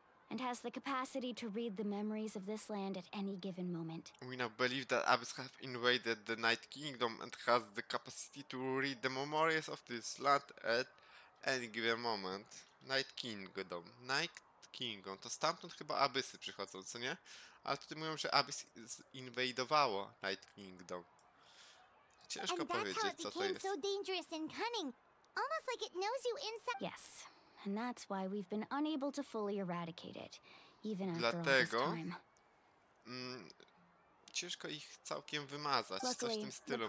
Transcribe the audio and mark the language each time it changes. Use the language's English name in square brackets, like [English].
[English] And has the capacity to read the memories of this land at any given moment. We now believe that Abyss have invaded the Night Kingdom and has the capacity to read the memories of this land at any given moment. Night Kingdom. Night Kingdom. [Polish] To stamtąd chyba Abyssy przychodzą, co nie? Ale tutaj mówią, że Abyss inwadowało Night Kingdom. Ciężko powiedzieć, co to jest. [English] So dangerous and cunning. Almost like it knows you inside. Yes. And that's why we've been unable to fully eradicate it, even after [Polish] dlatego, [English] all this time. [Polish] Ciężko ich całkiem wymazać, coś w tym stylu